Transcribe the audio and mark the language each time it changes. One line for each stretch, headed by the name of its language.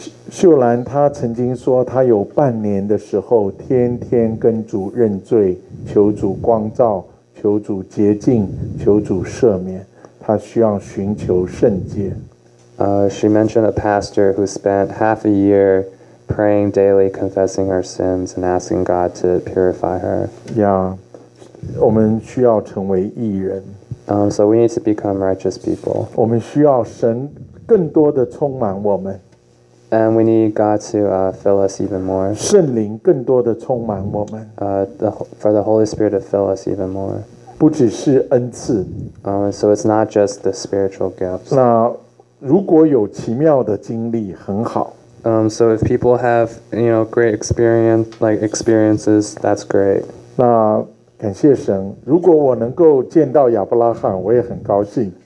Chinese: 秀兰她曾经说，她有半年的时候，天天跟主认罪，求主光照，求主洁净，求主赦免。她需要寻求圣洁。
English: She mentioned a pastor who spent half a year praying daily, confessing her sins and asking God to purify her.
Chinese: Yeah, 我们需要成为义人。
English: So we need to become righteous people.
Chinese: 我们需要神更多的充满我们。
English: And we need God to fill us even more.
Chinese: 圣灵更多的充满我们。
English: For the Holy Spirit to fill us even more.
Chinese: 不只是恩赐。
English: So it's not just the spiritual gifts.
Chinese: 那如果有奇妙的经历，很好。
English: So if people have great experiences, that's great.
Chinese: 那感谢神，如果我能够见到亚伯拉罕，我也很高兴。